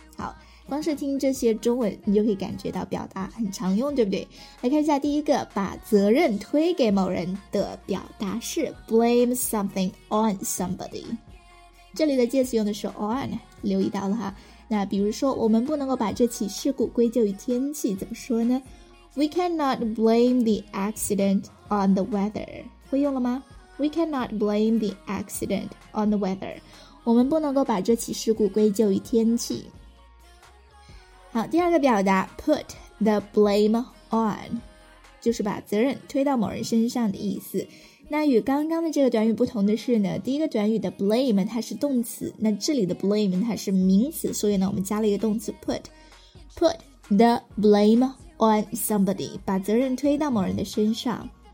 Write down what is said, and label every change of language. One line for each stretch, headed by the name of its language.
Chinese: 好，光是听这些中文你就可以感觉到表达很常用，对不对？来看一下第一个，把责任推给某人的表达是
English: blame something on somebody，
Chinese: 这里的介词用的是 on， 留意到了哈。那比如说我们不能够把这起事故归咎于天气，怎么说呢？
English: We cannot blame the accident on the weather.
Chinese: 会用了吗？
English: We cannot blame the accident on the weather.
Chinese: 我们不能够把这起事故归咎于天气。好，第二个表达
English: put the blame on，
Chinese: 就是把责任推到某人身上的意思。那与刚刚的这个短语不同的是呢，第一个短语的 blame 它是动词，那这里的 blame 它是名词，所以呢我们加了一个动词
English: put the blame on somebody，
Chinese: 把责任推到某人的身上。